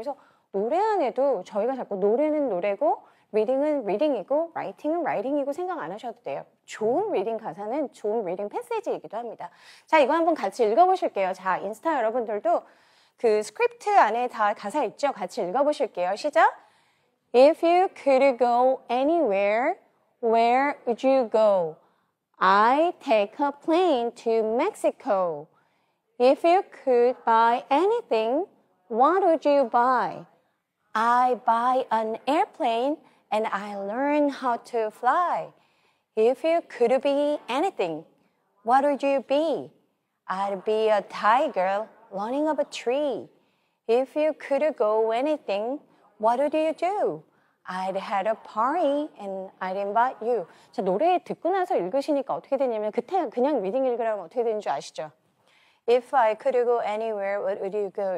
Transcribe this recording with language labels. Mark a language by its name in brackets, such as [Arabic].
[Korean] 그래서 노래 안에도 저희가 자꾸 노래는 노래고 리딩은 리딩이고 라이팅은 라이팅이고 생각 안 하셔도 돼요. 좋은 리딩 가사는 좋은 리딩 패세지이기도 합니다. 자, 이거 한번 같이 읽어보실게요. 자, 인스타 여러분들도 그 스크립트 안에 다 가사 있죠? 같이 읽어보실게요. 시작! [English] If you could go anywhere, where would you go? I'd take a plane to Mexico. If you could buy anything, what would you buy? I'd buy an airplane and I learn how to fly. If you could be anything, what would you be? I'd be a tiger running up a tree. If you could go anything, what would you do? I'd had a party and I'd invite you. [Korean] 자, 노래 듣고 나서 읽으시니까 어떻게 되냐면 그냥 리딩 읽으라면 어떻게 되는 줄 아시죠? [English] If I could go anywhere, what would you go?